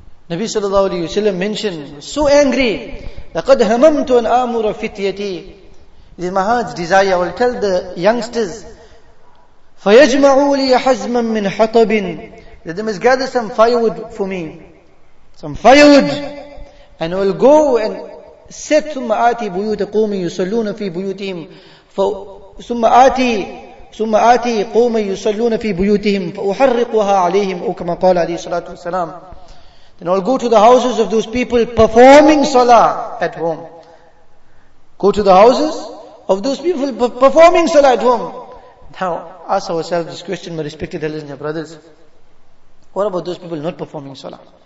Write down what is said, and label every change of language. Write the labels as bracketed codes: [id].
[en] Nabi sallallahu alayhi wa sallam mentioned, so angry, [ar] لَقَدْ هَمَمْتُ أَنْ أَمُرَ فِتْيَتِي. [en] It is my heart's desire. I will tell the youngsters, [ar] فَيَجْمَعُوا لِي حَزْمًا مِّنْ حَطَبٍ, [en] that they must gather some firewood for me. Some firewood. And I will go and set [ar] ثُمَّ آتِي بُيُوتَ قُومِ يُسَلُّونَ فِي بُيُوتِهِمْ ثُمَّ آتِي قُومَ يُسَلُّونَ فِي بُيُوتِهِمْ فَأُحَرِّقُهَا عَلَيْهِمْ أَوْ كَمَا قَالَ عَلَيْهِ صَلَاةُ وَسَلَامُ. [en] Then I'll go to the houses of those people performing salah at home. Go to the houses of those people performing salah at home. Now, ask ourselves this question, my respected elders and your brothers. What about those people not performing salah?